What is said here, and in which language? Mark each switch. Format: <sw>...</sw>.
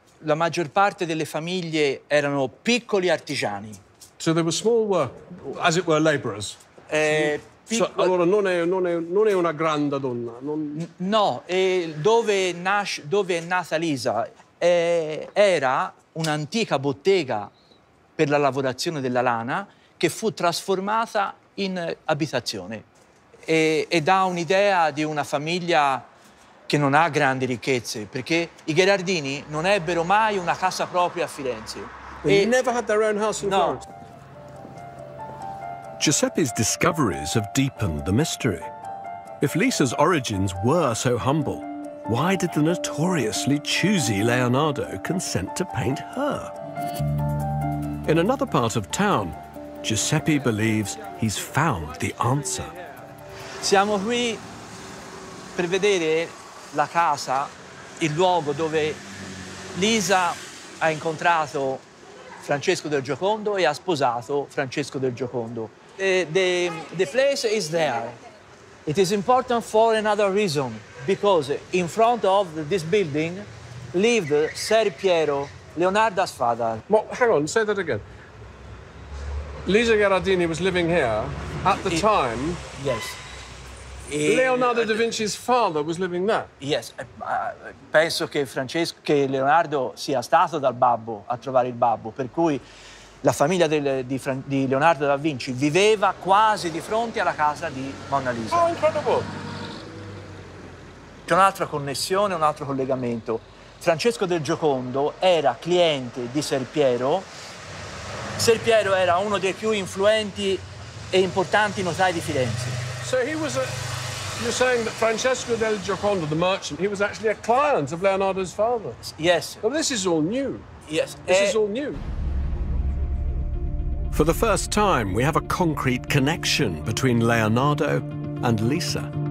<it>La maggior parte delle famiglie erano piccoli artigiani.</it> <en>So they were small, as it were, laborers.</en> <it>Allora non è una grande donna. No, e dove è nata Lisa? Era un'antica bottega per la lavorazione della lana che fu trasformata in abitazione. E dà un'idea di una famiglia che non ha grandi ricchezze, perché i Gherardini non ebbero mai una casa propria a Firenze.</it> <en>They never had their own house in Florence. Giuseppe's discoveries have deepened the mystery. If Lisa's origins were so humble, why did the notoriously choosy Leonardo consent to paint her? In another part of town, Giuseppe believes he's found the answer.</en> <it>Siamo qui per vedere la casa, il luogo dove Lisa ha incontrato Francesco del Giocondo e ha sposato Francesco del Giocondo.</it> <en>The place is there. It is important for another reason, because in front of this building lived Ser Piero, Leonardo's father. Well, hang on, say that again. Lisa Gherardini was living here at the time. Yes. Leonardo da Vinci's father was living there.</en> <it>Yes, penso che Francesco, che Leonardo sia stato dal babbo a trovare il babbo, per cui la famiglia di Leonardo da Vinci viveva quasi di fronte alla casa di Mona Lisa. Oh, incredibile! C'è un'altra connessione, un altro collegamento. Francesco del Giocondo era cliente di Ser Piero. Ser Piero era uno dei più influenti e importanti notai di Firenze.</it> <en>So he was you're saying that Francesco del Giocondo, the merchant, he was actually a client of Leonardo's father? Yes. But this is all new. Yes. This is all new. For the first time, we have a concrete connection between Leonardo and Lisa.</en>